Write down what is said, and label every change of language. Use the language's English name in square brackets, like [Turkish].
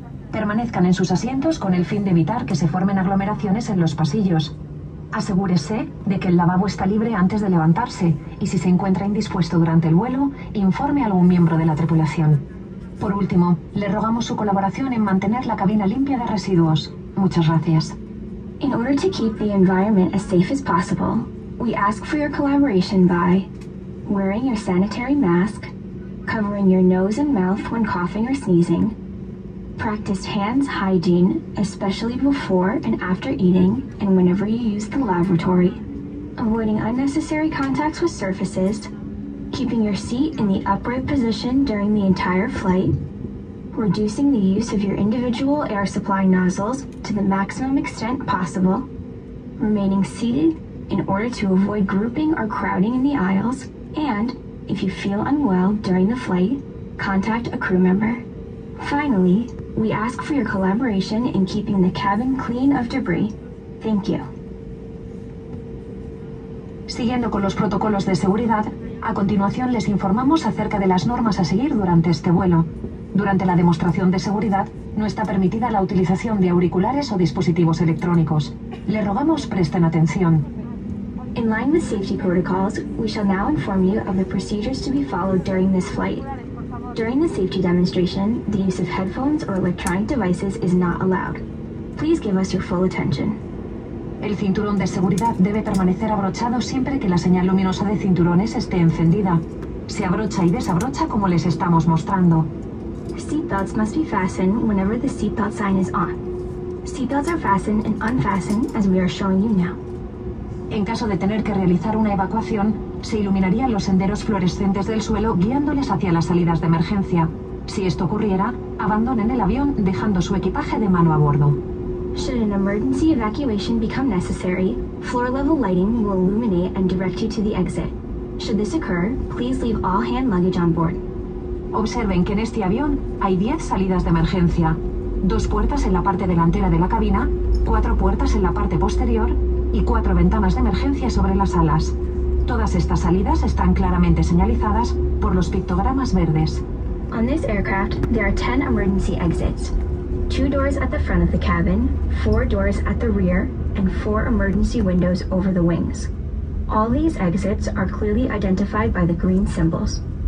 [Spanish] Permanezcan en sus asientos con el fin de evitar que se formen aglomeraciones en los pasillos. Asegúrese de que el lavabo está libre antes de levantarse y si se encuentra indispuesto durante el vuelo, informe a algún miembro de la tripulación. Por último, le rogamos su colaboración en mantener la cabina limpia de residuos. Muchas gracias. [English] In order to keep the environment as safe as possible, we ask for your collaboration by wearing your sanitary mask, covering your nose and mouth when coughing or sneezing, practice hands hygiene, especially before and after eating and whenever you use the lavatory, avoiding unnecessary contacts with surfaces, keeping your seat in the upright position during the entire flight, reducing the use of your individual air supply nozzles to the maximum extent possible, remaining seated in order to avoid grouping or crowding in the aisles, and if you feel unwell during the flight, contact a crew member. Finally, we ask for your collaboration in keeping the cabin clean of debris. Thank you. [Spanish] Siguiendo con los protocolos de seguridad, a continuación les informamos acerca de las normas a seguir durante este vuelo. Durante la demostración de seguridad, no está permitida la utilización de auriculares o dispositivos electrónicos. Le rogamos presten atención. [English] In line with safety protocols, we shall now inform you of the procedures to be followed during this flight. During the safety demonstration, the use of headphones or electronic devices is not allowed. Please give us your full attention. [Spanish] El cinturón de seguridad debe permanecer abrochado siempre que la señal luminosa de cinturones esté encendida. Se abrocha y desabrocha como les estamos mostrando. [English] Seatbelts must be fastened whenever the seatbelt sign is on. Seatbelts are fastened and unfastened as we are showing you now. [Spanish] En caso de tener que realizar una evacuación, se iluminarían los senderos fluorescentes del suelo guiándoles hacia las salidas de emergencia. Si esto ocurriera, abandonen el avión dejando su equipaje de mano a bordo. [English] Should an emergency evacuation become necessary, floor-level lighting will illuminate and direct you to the exit. Should this occur, please leave all hand luggage on board. [Spanish] Observen que en este avión hay 10 salidas de emergencia. 2 puertas en la parte delantera de la cabina, 4 puertas en la parte posterior y 4 ventanas de emergencia sobre las alas. Todas estas salidas están claramente señalizadas por los pictogramas verdes. [English] On this aircraft, there are 10 emergency exits. 2 doors at the front of the cabin, 4 doors at the rear, and 4 emergency windows over the wings. All these exits are clearly identified by the green symbols.